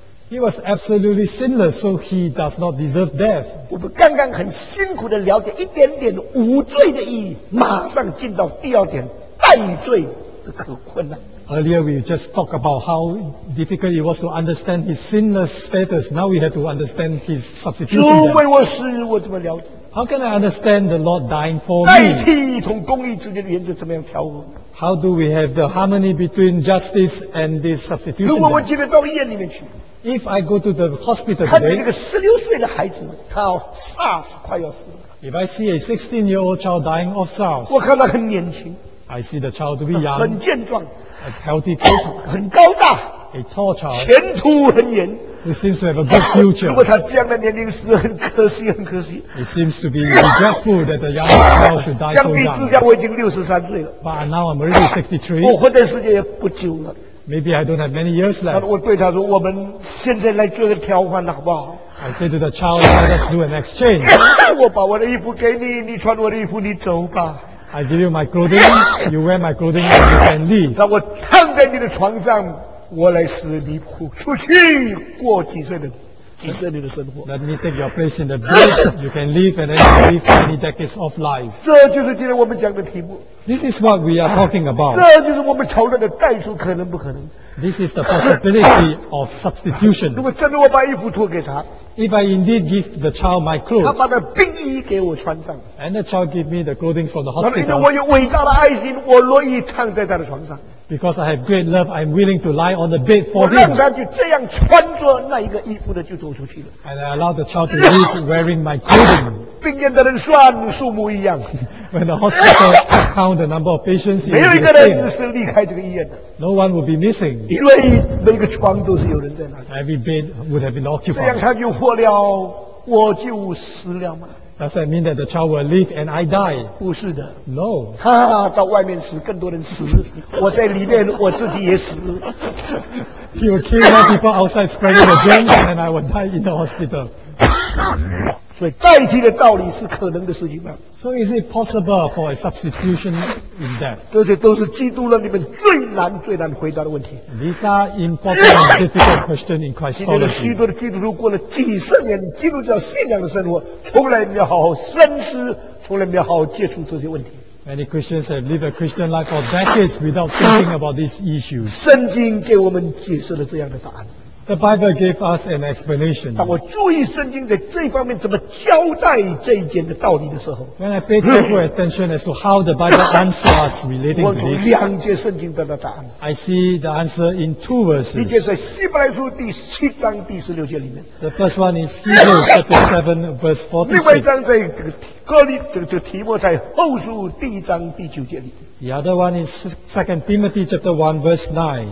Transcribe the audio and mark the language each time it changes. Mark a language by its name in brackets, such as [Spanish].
[English] He was absolutely sinless, so he does not deserve death. [Chinese] 我们刚刚很辛苦的了解一点点无罪的意义，马上进到第二点，代罪的可困难。 [English] Earlier we just talked about how difficult it was to understand his sinless status. Now we have to understand his substitution. [Chinese] 主为我死，我怎么了解？ [English] How can I understand the Lord dying for me? [Chinese] 代替同公义之间的原则怎么样调和？ [English] How do we have the harmony between justice and this substitution? [Chinese] 如果我今天到医院里面去， [English] If I go to the hospital today, [Chinese] 看见那个16岁的孩子，他SARS快要死了。 [English] If I see a 16-year-old child dying of SARS, [Chinese] 我看他很年轻。 [English] I see the child to be young, [Chinese] 很健壮。 [English] A healthy person, [Chinese] 很高大， [English] a tall child, [Chinese] 前途很远， [English] who seems to have a good future. [Chinese] 如果他这样的年龄死，很可惜，很可惜。 [English] It seems to be regretful that the young child should die so young. [Chinese] 相比之下，我已经63岁了。 [English] But now I'm already 63. [Chinese] 我活在世界也不久了。 [English] Maybe I don't have many years left. [Chinese] 我对他说，我们现在来做个交换，好不好？ [English] I say to the child, let us do an exchange. [Chinese] 我把我的衣服给你，你穿我的衣服，你走吧。 [English] I give you my clothing, you wear my clothing and you can leave. [Chinese] 那我躺在你的床上，我来使你出去过几十年的生活。 [English] Let me take your place in the bed, you can leave and then you live many decades of life. [Chinese] 这就是今天我们讲的题目。 [English] This is what we are talking about. [Chinese] 这就是我们讨论的代数可能不可能。 [English] This is the possibility of substitution. [Chinese] 如果真的我把衣服脱给他。 [English] If I indeed give the child my clothes, [Chinese] 他把他病衣给我穿上。 [English] And the child give me the clothing from the hospital. [Chinese] 因为我有伟大的爱心，我乐意躺在他的床上。 [English] Because I have great love, I'm willing to lie on the bed for him. [Chinese] 我让他就这样穿着那一个衣服的就走出去了。 [English] And I allow the child to leave wearing my clothing. [Chinese] 病人的人算数目一样。 [English] When the hospital count the number of patients, [Chinese] 没有一个人是离开这个医院的。 [English] No one will be missing. [Chinese] 因为每个床都是有人在那里。 [English] Every bed would have been occupied. [Chinese] 这样他就活了，我就死了嘛。 [English] Does that mean that the child will live and I die? [Chinese] 不是的。 [English] No. [Chinese] 他到外面死，更多人死。我在里面，我自己也死。 [English] He will kill more people outside spreading the germs and I will die in the hospital. [Chinese] 所以代替的道理是可能的事情吗？ [English] So is it possible for a substitution in death? [Chinese] 这些都是基督论里面最难最难回答的问题。 [English] These are important and difficult questions in Christology. [Chinese] 今天许多的基督徒过了几十年基督教信仰的生活，从来没有好好深思，从来没有好好接触这些问题。 [English] Many Christians have lived a Christian life for decades without thinking about these issues. [Chinese] 圣经给我们解释了这样的答案。 [English] The Bible gave us an explanation. [Chinese] 当我注意圣经在这方面怎么交代这一点的道理的时候， [English] When I pay careful attention as to how the Bible answers us relating to this, [Chinese] 我从两节圣经得到答案。 [English] I see the answer in two verses. [Chinese] 一节在希伯来书第七章第十六节里面。 [English] The first one is Hebrews chapter 7 verse 46. [Chinese] 另外一章在提摩太后书第一章第九节里。 [English] The other one is 2 Timothy chapter 1 verse 9.